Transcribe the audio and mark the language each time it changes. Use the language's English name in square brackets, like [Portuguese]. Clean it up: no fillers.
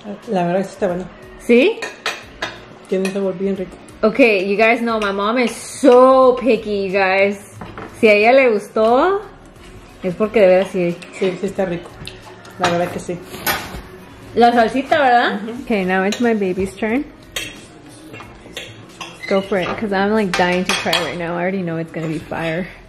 [Spanish] La verdad es que está bueno. ¿Sí? Tiene un sabor bien rico. [English] Okay, you guys know my mom is so picky, you guys. [Spanish] Si a ella le gustó, es porque de verdad sí. Sí, sí está rico. La verdad que sí. La salsita, ¿verdad? Mm-hmm. [English] Okay, now it's my baby's turn. Go for it, because I'm like dying to try right now. I already know it's going to be fire.